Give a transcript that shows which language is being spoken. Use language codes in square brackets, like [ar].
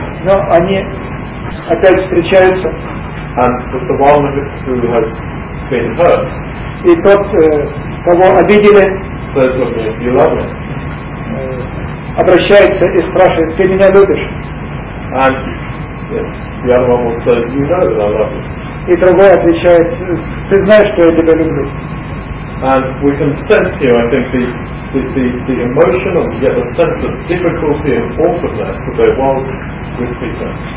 [ru] Но они опять встречаются. [en] And with the one who has been hurt. [ru] И тот, кого обидели, [en] says to me, you love me. [ru] Обращается и спрашивает, ты меня любишь? [en] And the other one will say, you know that I love you. [ru] И другой отвечает, ты знаешь, что я тебя люблю. [en] And we can sense here, I think, the emotional, yet the sense of difficulty and awkwardness that there was with Peter.